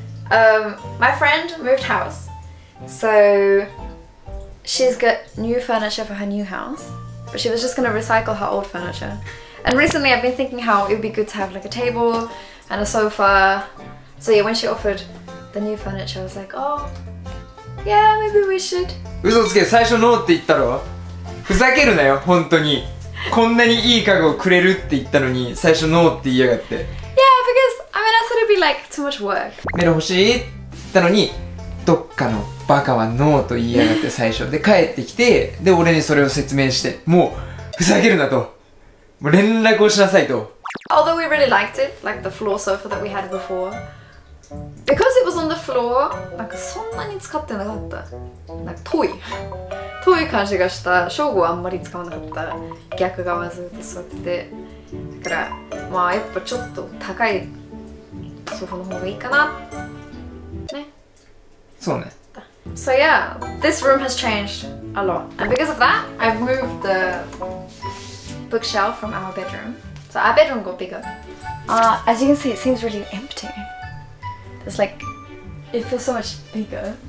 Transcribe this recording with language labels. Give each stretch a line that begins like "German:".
English: My friend moved house, so she's got new furniture for her new house, but she was just gonna recycle her old furniture. And recently I've been thinking how it would be good to have like a table and a sofa. So yeah, when she offered the new furniture, I was like, oh,Yeah, maybe we should.
Japanese: 嘘つけ、最初ノーって言ったろ。ふざけるなよ、本当に。こんなにいい家具をくれるって言ったのに、最初ノーって言いやがって。
English: Yeah, because I mean, I thought it'd be like too much work.
Japanese: メロ欲しいって言ったのに、どっかのバカはノーと言いやがって最初。で、帰ってきて、で、俺にそれを説明して、もう、ふざけるなと。もう連絡をしなさいと。
English: Although we really liked it, like the floor sofa that we had before. Because it was on the floor,
Japanese: なんかそんなに使ってなかった。なんか遠い。遠い感じがした。ショーゴはあんまり使わなかった。逆側ずっと座ってて。だから、まあやっぱちょっと高いソファの方がいいかな。ね。そうね。
English: So yeah, this room has changed a lot. And because of that, I've moved the bookshelf from our bedroom. So our bedroom got bigger. As you can see, it seems really empty. It's like, it feels so much bigger.